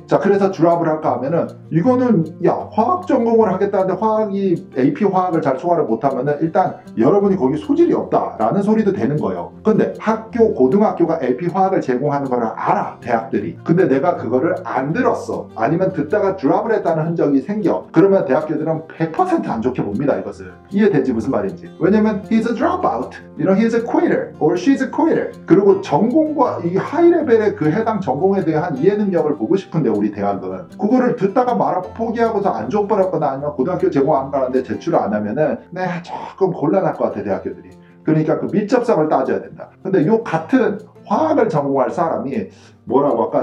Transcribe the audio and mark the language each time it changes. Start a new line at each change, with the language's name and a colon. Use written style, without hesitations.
Korean: 자, 그래서 드랍을 할까 하면은 이거는 야, 화학 전공을 하겠다는데 화학이 AP 화학을 잘 소화를 못하면은 일단 여러분이 거기 소질이 없다라는 소리도 되는 거예요. 근데 학교, 고등학교가 AP 화학을 제공하는 걸 알아, 대학들이. 근데 내가 그거를 안 들었어. 아니면 듣다가 드랍을 했다는 흔적이 생겨. 그러면 대학교들은 100% 안 좋게 봅니다, 이것을. 이해되지, 무슨 말인지. 왜냐면
English: he's a dropout, you know, he's a quitter, or she's a quitter.
Korean: 그리고 전공과 이 하이레벨의 그 해당 전공에 대한 이해 능력을 보고 싶은데 우리 대학은 그거를 듣다가 말하고 포기하고서 안 줘버렸거나 아니면 고등학교 제공 안 받았는데 제출을 안 하면은 네, 조금 곤란할 것 같아, 대학교들이. 그러니까 그 밀접성을 따져야 된다. 근데 요 같은 화학을 전공할 사람이 뭐라고 할까?